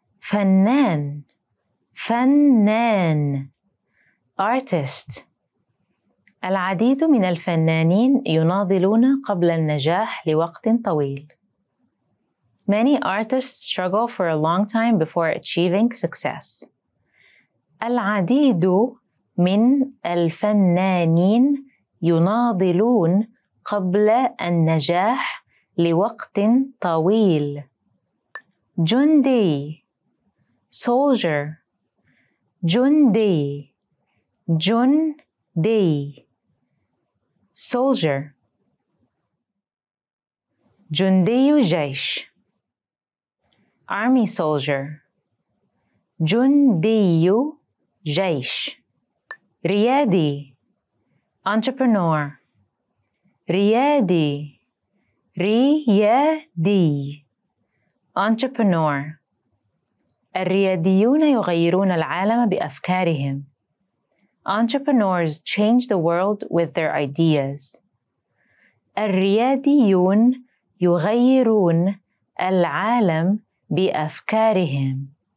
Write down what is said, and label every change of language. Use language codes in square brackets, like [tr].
[ar] فنان, فنان, artist. العديد من الفنانين يناضلون قبل النجاح لوقت طويل. [en] Many artists struggle for a long time before achieving success. [ar] العديد من الفنانين يناضلون قبل النجاح لوقت طويل. جندي, soldier. جندي, جندي, soldier. جندي جيش, [en] army soldier. [ar] جندي جيش. ريادي, entrepreneur. ريادي, ريادي, [en] entrepreneur. [ar] الرياديون يغيرون العالم بأفكارهم. [en] Entrepreneurs change the world with their ideas. [ar] الرياديون يغيرون العالم بأفكارهم.